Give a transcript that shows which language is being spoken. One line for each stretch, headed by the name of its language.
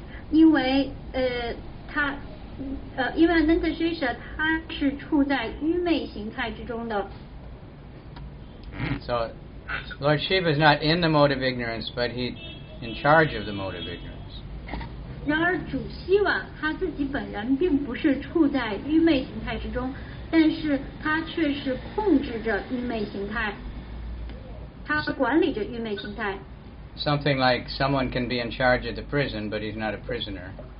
English: Because Ananta Shesha is in the mode of ignorance. So,Lord Shiva is not in the mode of ignorance, but he's in charge of the mode of ignorance.
Chinese: 然而主 Shiva 他自己本人并不是处在愚昧形态之中，但是他却是控制着愚昧形态，他管理着愚昧形态。
English: Something like someone can be in charge of the prison, but he's not a prisoner.